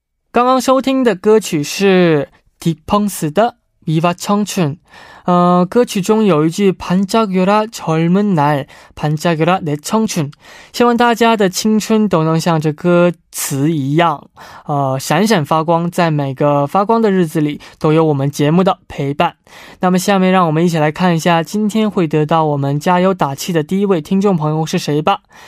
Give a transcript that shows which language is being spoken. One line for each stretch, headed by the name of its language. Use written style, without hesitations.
Chinese: 刚刚收听的歌曲是 디펑스의 Viva 청춘. 歌曲中有一句
Korean: 반짝여라 젊은 날, 반짝여라 내 청춘.
Chinese: 希望大家的青春都能像这歌词一样闪闪发光，在每个发光的日子里都有我们节目的陪伴。那么下面让我们一起来看一下今天会得到我们加油打气的第一位听众朋友是谁吧。